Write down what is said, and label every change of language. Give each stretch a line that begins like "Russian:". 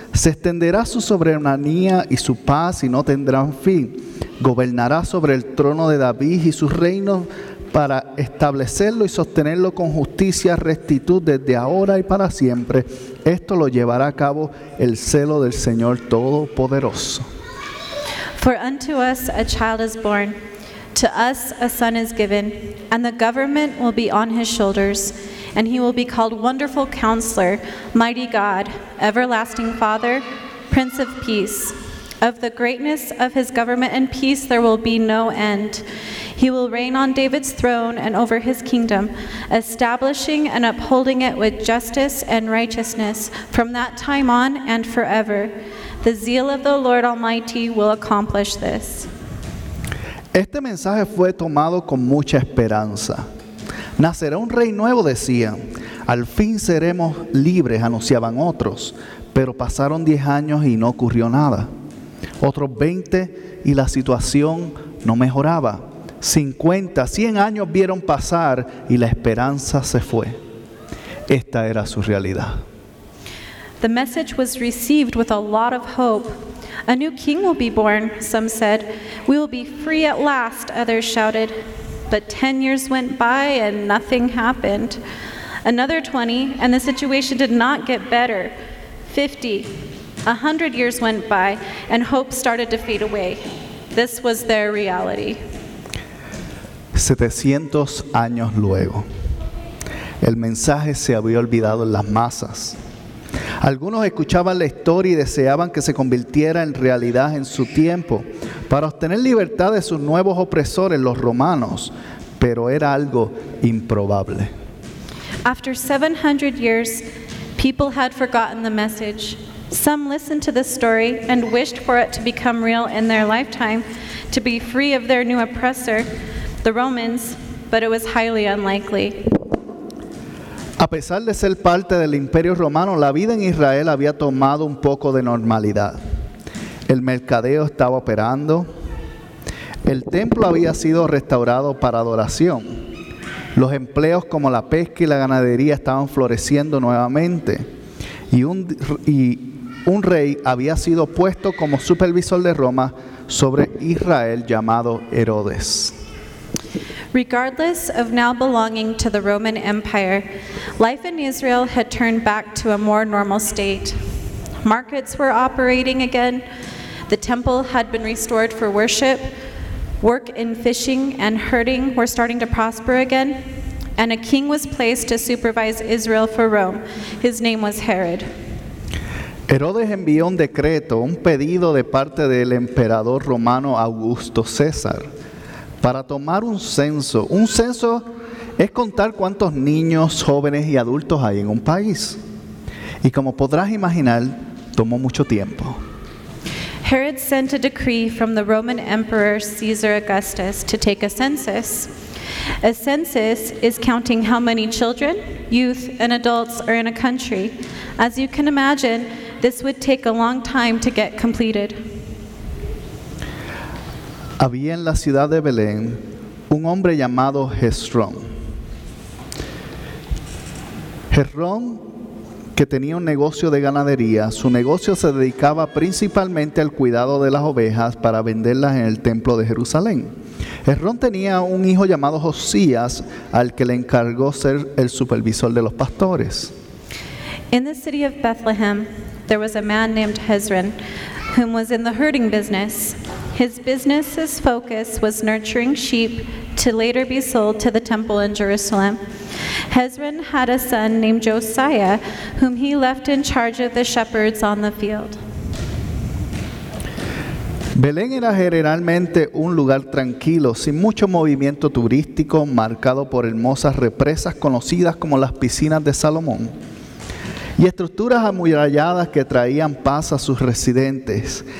Spanish: Se extenderá su soberanía y su paz y no tendrán fin. Gobernará sobre el trono de David y su reino para establecerlo y sostenerlo con justicia y rectitud desde ahora y para siempre. Esto lo llevará a cabo el celo del Señor Todopoderoso.
English: For unto us a child is born. To us a son is given, and the government will be on his shoulders, and he will be called Wonderful Counselor, Mighty God, Everlasting Father, Prince of Peace. Of the greatness of his government and peace there will be no end. He will reign on David's throne and over his kingdom, establishing and upholding it with justice and righteousness from that time on and forever. The zeal of the Lord Almighty will accomplish this.
Spanish: Este mensaje fue tomado con mucha esperanza. Nacerá un rey nuevo, decían. Al fin seremos libres, anunciaban otros. Pero pasaron 10 años y no ocurrió nada. Otros 20 y la situación no mejoraba. 50, 100 años vieron pasar y la esperanza se fue. Esta era su realidad.
English: The message was received with a lot of hope. A new king will be born, some said. We will be free at last, others shouted. But 10 years went by and nothing happened. Another 20, and the situation did not get better. 50, 100 years went by, and hope started to fade away. This was their reality.
Spanish: 700 años luego, el mensaje se había olvidado en las masas. Algunos escuchaban la historia y deseaban que se convirtiera en realidad en su tiempo para obtener libertad de sus nuevos opresores, los romanos, pero era algo improbable.
English: After 700 years, people had forgotten the message. Some listened to the story and wished for it to become real in their lifetime, to be free of their new oppressor, the Romans, but it was highly unlikely.
Spanish: A pesar de ser parte del Imperio Romano, la vida en Israel había tomado un poco de normalidad. El mercadeo estaba operando. El templo había sido restaurado para adoración. Los empleos como la pesca y la ganadería estaban floreciendo nuevamente. Y un rey había sido puesto como supervisor de Roma sobre Israel llamado Herodes.
English: Regardless of now belonging to the Roman Empire, life in Israel had turned back to a more normal state. Markets were operating again. The temple had been restored for worship. Work in fishing and herding were starting to prosper again. And a king was placed to supervise Israel for Rome. His name was Herod.
Spanish: Herodes envió un decreto, un pedido de parte del emperador romano Augusto César. Para tomar un censo es contar cuántos niños, jóvenes y adultos hay en un país. Y como podrás imaginar, tomó mucho tiempo.
English: Herod sent a decree from the Roman Emperor Caesar Augustus to take a census. A census is counting how many children, youth, and adults are in a country. As you can imagine, this would take a long time to get completed.
Spanish: Había en la ciudad de Belén un hombre llamado Jesrón. Jesrón, que tenía un negocio de ganadería, su negocio se dedicaba principalmente al cuidado de las ovejas para venderlas en el templo de Jerusalén. Jesrón tenía un hijo llamado Josías, al que le encargó ser el supervisor de los pastores.
English: In the city of Bethlehem, there was a man named Jesrón, whom was in the herding business. His business's focus was nurturing sheep to later be sold to the temple in Jerusalem. Hezron had a son named Josiah, whom he left in charge of the shepherds on the field.
Spanish: Belén era generalmente un lugar tranquilo, sin mucho movimiento turístico, marcado por hermosas represas conocidas como las piscinas de Salomón, y estructuras amuralladas que traían paz a sus residentes.